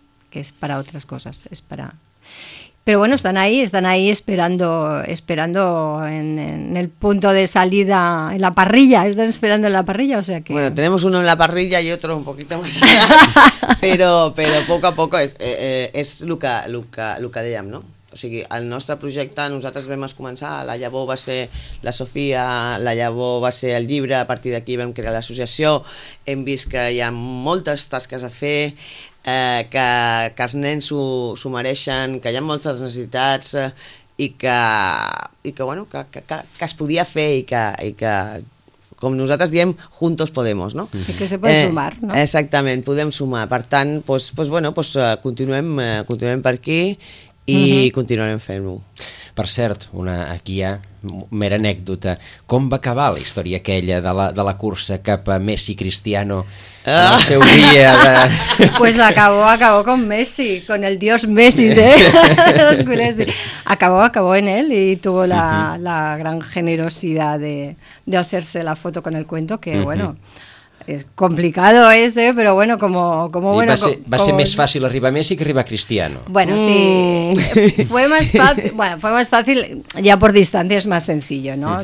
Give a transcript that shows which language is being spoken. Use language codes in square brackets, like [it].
[es] Que es para otras cosas, es para... Pero bueno, están ahí esperando en el punto de salida, en la parrilla, están esperando en la parrilla, o sea que... Bueno, tenemos uno en la parrilla y otro un poquito más allá, pero poco a poco es lo que [ca] dèiem, [es] ¿no? [ca] O sigui, el nostre projecte, nosaltres vam començar, la llavor va ser la Sofia, la llavor va ser el llibre, a partir d'aquí vam crear l'associació, hem vist que hi ha moltes tasques a fer, que els nens s'ho mereixen, que hi ha moltes necessitats, i que bueno, que es podia fer i que com nosaltres diem, [es] juntos podemos, [ca] no? I que se pot sumar, no? Exactament, podem sumar. Per tant, pues, continuem per aquí i continuarem fent-ho. Per cert, una, aquí hi ha mera anècdota. Com va acabar la història aquella de la cursa cap a Messi Cristiano en el seu dia? De... [es] Pues acabó con Messi, con el dios Messi de los culés. Acabó en él y tuvo la gran generosidad de hacerse la foto con el cuento, que bueno... És complicado ese, però bueno, como bueno... [ca] Va ser més fàcil arribar a Messi que arribar a Cristiano. [es] Bueno, sí, fue más fácil, ya por distancia es más sencillo, ¿no? Uh-huh.